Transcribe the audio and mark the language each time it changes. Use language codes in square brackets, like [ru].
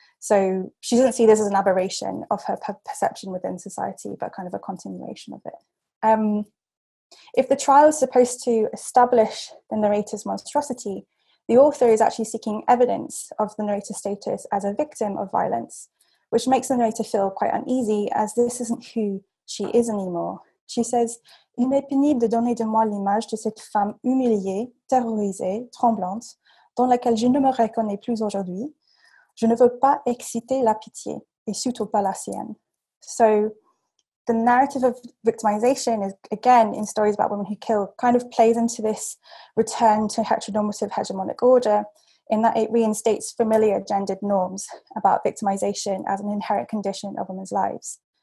[en] So she doesn't see this as an aberration of her perception within society, but kind of a continuation of it. If the trial is supposed to establish the narrator's monstrosity, the author is actually seeking evidence of the narrator's status as a victim of violence, which makes the narrator feel quite uneasy, as this isn't who she is anymore. She says, [fr] il m'est pénible de donner de moi l'image de cette femme humiliée, terrorisée, tremblante, dans laquelle je ne me reconnais plus aujourd'hui. Je ne veux pas exciter la pitié, et surtout pas la sienne. [en] So the narrative of victimization is, again, in stories about women who kill, kind of plays into this return to heteronormative hegemonic order, in that it reinstates familiar gendered norms about victimization as an inherent condition of women's lives.